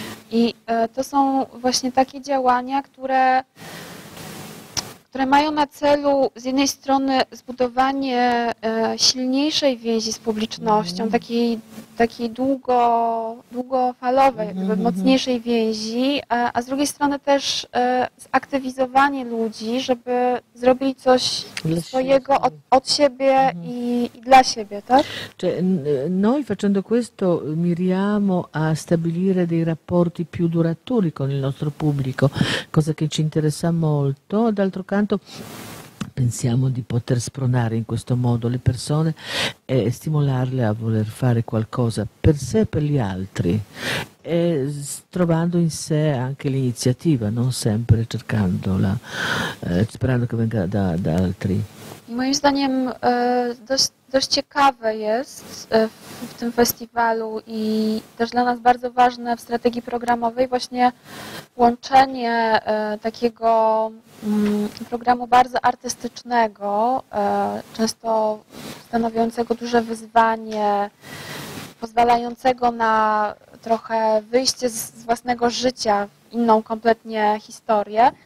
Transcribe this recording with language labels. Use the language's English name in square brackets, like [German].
[Polish] I to są właśnie takie działania, które mają na celu z jednej strony zbudowanie silniejszej więzi z publicznością, takiej długofalowej, jakby mocniejszej więzi, a z drugiej strony też zaktywizowanie ludzi, żeby zrobili coś dla swojego od siebie i dla siebie, tak? [Italian] Cioè, noi facendo questo miriamo a stabilire dei rapporti più duraturi con il nostro pubblico, cosa che ci interessa molto. D'altro canto pensiamo di poter spronare in questo modo le persone e stimolarle a voler fare qualcosa per sé e per gli altri, e trovando in sé anche l'iniziativa, non sempre cercandola, sperando che venga da altri. [Polish] Moim zdaniem dość ciekawe jest w tym festiwalu i też dla nas bardzo ważne w strategii programowej właśnie łączenie takiego programu bardzo artystycznego, często stanowiącego duże wyzwanie, pozwalającego na trochę wyjście z własnego życia w inną kompletnie historię.